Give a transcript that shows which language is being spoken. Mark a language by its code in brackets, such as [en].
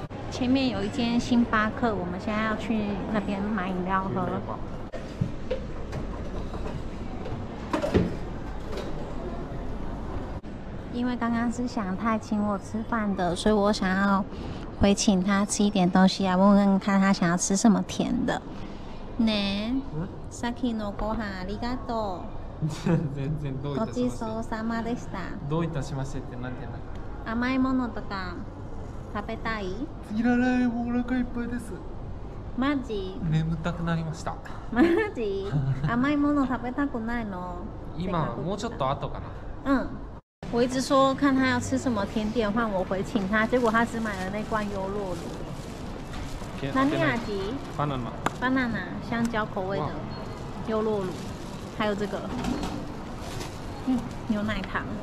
[zh] 前面有一间星巴克，我们现在要去那边买饮料喝。因为刚刚是想太请我吃饭的，所以我想要回请他吃一点东西啊，问问看他想要吃什么甜的。 [ja] ね、さっきのご飯ありがとう。全然どういたしまして。ごちそうさまでした。どういたしましてってなんて言うの。甘いものとか食べたい？いらない、もうお腹いっぱいです。マジ？眠たくなりました。マジ？甘いもの食べたくないの？今もうちょっと後かな。うん。 [zh] 我一直说看他要吃什么甜点，换我回请他，结果他只买了那罐优酪乳。那尼亚吉 [en] ？banana。 [zh] banana 香蕉口味的优酪乳，还有这个，牛奶糖。